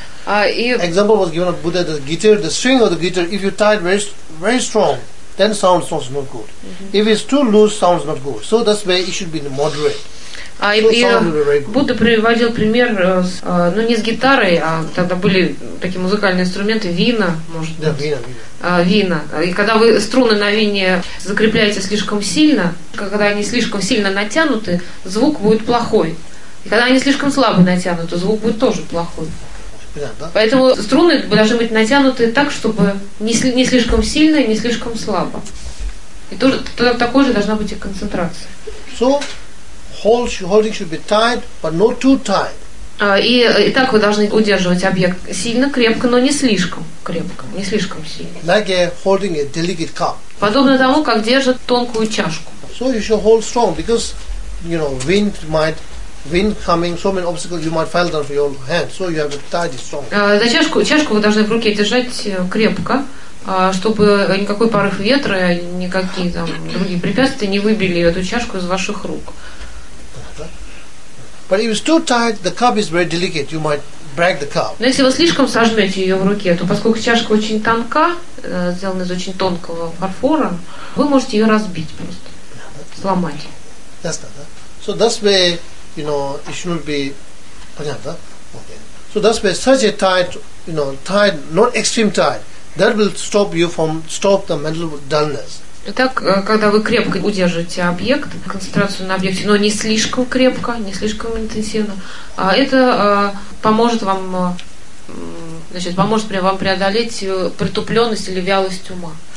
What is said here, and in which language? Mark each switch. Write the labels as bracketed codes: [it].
[en] Example was given by Buddha the guitar, the string of the guitar, if you tie it very, very strong, then sound sounds not good. Mm-hmm. If it's too loose, sounds not good. So that's why it should be moderate. [ru] Будда приводил пример, ну не с гитарой, а тогда были такие музыкальные инструменты, вина, может быть. Да, вина. Вина. И когда вы струны на вине закрепляете слишком сильно, когда они слишком сильно натянуты, звук будет плохой. И когда они слишком слабо натянуты, звук будет тоже плохой. Поэтому струны должны быть натянуты так, чтобы не слишком сильно и не слишком слабо. И тоже такой же должна быть и концентрация. [en] Holding should be tight, but not too tight. [ru] И так вы должны удерживать объект сильно, крепко, но не слишком крепко, не слишком сильно. [en] Like holding a delicate cup. [ru] Подобно тому, как держат тонкую чашку. [en] So you should hold strong, because, you know, wind coming, so many obstacles you might fall down for your hand. So you have to tie it strong. [ru] За чашку вы должны в руке держать крепко, чтобы никакой порыв ветра, никакие там другие препятствия не выбили эту чашку из ваших рук. [en] But if it's too tight, the cup is very delicate. You might break the cup. [ru] Но если вы слишком сожмете ее в руке, то поскольку чашка очень тонка, сделана из очень тонкого фарфора, вы можете ее разбить просто, сломать. [en] That's that. So that's where, you know, it should be. [ru] Понятно? Okay. [en] So that's where such a tight, you know, tight, not extreme tight, that will stop you from stop the mental dullness. [ru] Итак, когда вы крепко удерживаете объект, концентрацию на объекте, но не слишком крепко, не слишком интенсивно, это поможет вам, значит, поможет вам преодолеть притупленность или вялость ума.